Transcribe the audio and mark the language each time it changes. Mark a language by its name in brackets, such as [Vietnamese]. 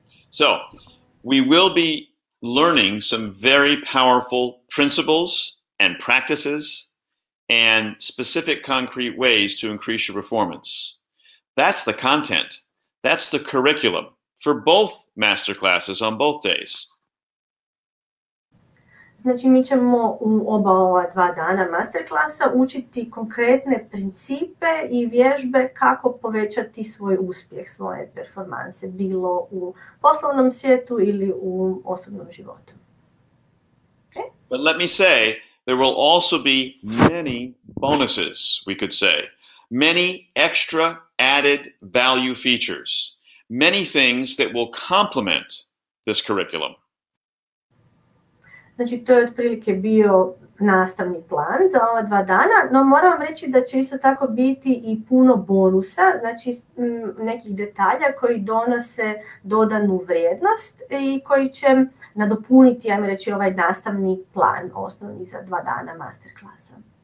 [English] So, we will be learning some very powerful principles and practices and specific concrete ways to increase your performance. That's the content. That's the curriculum for both masterclasses on both days. [Croatian] Znači, mi ćemo u oba ova dva dana masterklasa učiti konkretne principe i vježbe kako povećati svoj uspjeh, svoje performanse, bilo u poslovnom svijetu ili u osobnom životu. [English] Okay? But let me say, there will also be many bonuses, we could say. Many extra added value features. Many things that will complement this curriculum. [Croatian] Znači, to je otprilike bio nastavni plan za ova dva dana, no moram vam reći da će isto tako biti i puno bonusa, znači nekih detalja koji donose dodanu vrijednost i koji će nadopuniti, ajmo reći, ovaj nastavni plan osnovni za dva dana masterklasa.